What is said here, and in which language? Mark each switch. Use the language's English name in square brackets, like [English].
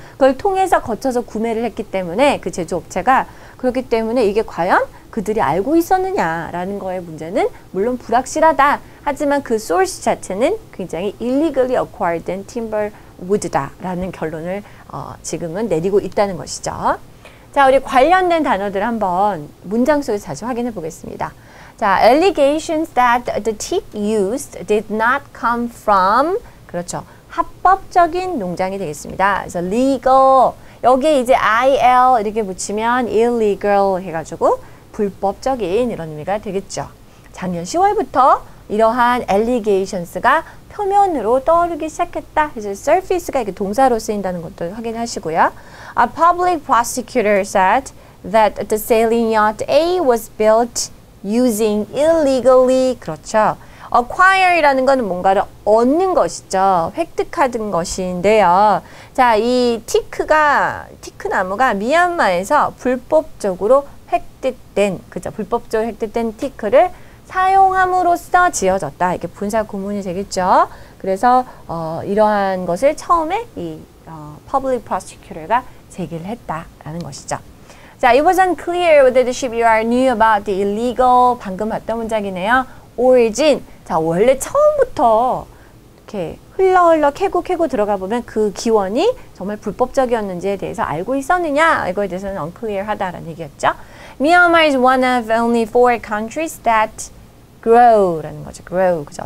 [Korean] 그걸 통해서 거쳐서 구매를 했기 때문에 그 제조업체가 그렇기 때문에 이게 과연 그들이 알고 있었느냐라는 거의 문제는 물론 불확실하다. 하지만 그 소스 자체는 굉장히 [English] illegally acquired timber wood [Korean] 다라는 결론을 지금은 내리고 있다는 것이죠. 자, 우리 관련된 단어들 한번 문장 속에서 다시 확인해 보겠습니다. [English] 자, allegations that the teak used did not come from, [Korean] 그렇죠. 합법적인 농장이 되겠습니다. 그래서 legal, 여기에 이제 IL 이렇게 붙이면 illegal 해가지고 불법적인 이런 의미가 되겠죠. 작년 10월부터 이러한 allegations가 표면으로 떠오르기 시작했다. 이제 surface가 이렇게 동사로 쓰인다는 것도 확인하시고요. [English] A public prosecutor said that the sailing yacht A was built using illegally, [Korean] 그렇죠. acquire이라는 건 뭔가를 얻는 것이죠. 획득하던 것인데요. 자, 이 티크나무가 미얀마에서 불법적으로 획득된, 그죠. 불법적으로 획득된 티크를 사용함으로써 지어졌다. 이렇게 분사 구문이 되겠죠. 그래서, 이러한 것을 처음에 이, public prosecutor가 제기를 했다라는 것이죠. [English] 자, it was unclear whether the shipyard knew about the illegal, [Korean] 방금 봤던 문장이네요. [English] origin. [Korean] 자, 원래 처음부터 이렇게 흘러흘러 캐고 캐고 들어가 보면 그 기원이 정말 불법적이었는지에 대해서 알고 있었느냐? 이거에 대해서는 [English] unclear [Korean] 하다라는 얘기였죠. [English] Myanmar is one of only four countries that grow [Korean] 라는 거죠. [English] grow. [Korean] 그죠?